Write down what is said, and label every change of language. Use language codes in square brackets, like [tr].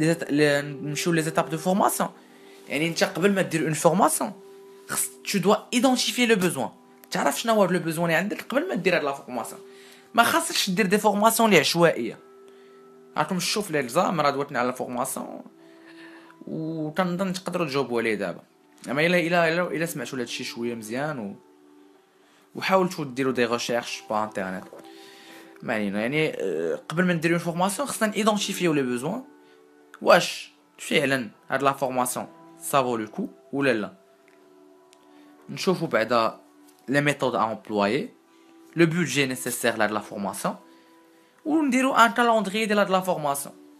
[fr] Les étapes de formation. [ar] يعني انت قبل ما دير اون فورماسيون [fr] tu dois identifier le besoin. [ar] تعرف شنو هو لو بوزوان اللي عندك قبل ما دير هاد لا فورماسيون. ما خاصكش دير دي فورماسيون اللي عشوائيه. راكم شوف لي الزام راه دوتني على فورماسيون وكنظن تقدروا تجاوبوا عليه دابا. اما الا الا الا سمعتوا لهادشي شويه مزيان وحاولتوا ديروا دي ريغيرش با انترنيت معني يعني قبل ما ندير اون فورماسيون خصنا ايدونتيفيو لو بوزوان واش فعلا هاد لا فورماسيون [fr] ça vaut le coup ou là. Nous voyons les méthodes à employer, le budget nécessaire là de la formation, ou nous dirons un calendrier de la formation.